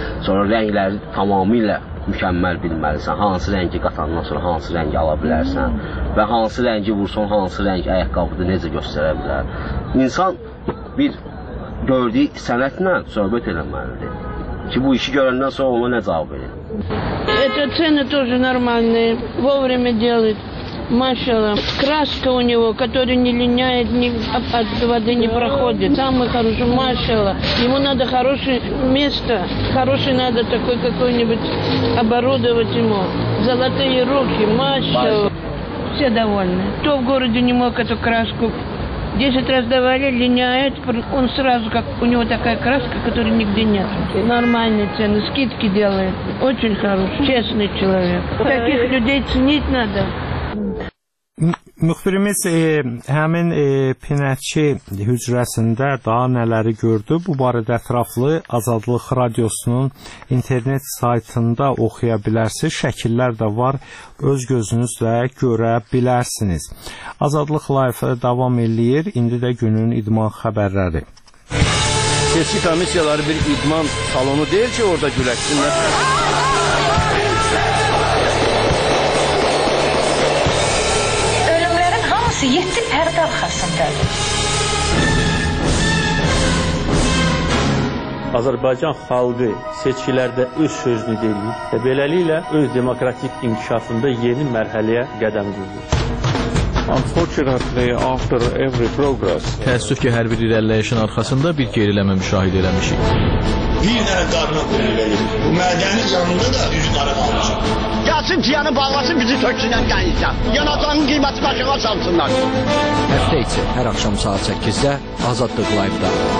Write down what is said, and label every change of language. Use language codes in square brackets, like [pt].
[az] Sonra rəngləri tamamilə mükəmməl bilməlisən. Hansı rəngi qatandan sonra hansı rəngi ala bilərsən və hansı rəngi vursan, hansı rəng ayaqqabıda necə göstərə bilər. İnsan bir gördüyü sənətlə söhbət eləməlidir. Ki bu işi görəndən sonra ona nə cavab verir? [ru] Это цены тоже нормальные. Вовремя делает. Машаллах. Краска у него, которая не линяет, ни от воды не проходит. Самый хороший, машаллах. Ему надо хорошее место. Хороший надо такой какой-нибудь оборудовать ему. Золотые руки, машаллах. Все довольны. Кто в городе не мог эту краску? 10 раз давали, линяет, он сразу, как у него такая краска, которой нигде нет. Нормальные цены, скидки делает. Очень хороший, честный человек. Таких людей ценить надо. [az] Müxbirimiz həmin pinəçi hücrəsində daha nələri gördü, bu barədə ətraflı Azadlıq Radiosunun internet saytında oxuya bilərsiniz, şəkillər də var, öz gözünüzlə görə bilərsiniz. Azadlıq layihəsi davam edir, indi də günün idman xəbərləri. Seçki komissiyaları bir idman salonu deyil ki, orada güləşsinlər. Yeti pərdə arxasındadır. Azərbaycan xalqı seçkilərdə öz sözünü deyir və beləliklə öz demokratik inkişafında yeni mərhələyə qədəm düzür. [en] Unfortunately, after every progress. [az] Təəssüf ki, hər bir irəliləyişin arxasında bir geriləmə müşahidə eləmişik. Bir dənə qarına qırılayım. Bu mədənin yanında da üç qarı qalmışam. Gəlsin ki, yəni bağlasın bizi tökçüdən gəlincə. Yanacağının qiyməti başına çalsınlar. Həftə içi, hər axşam saat 8-də Azadlıq Live-da.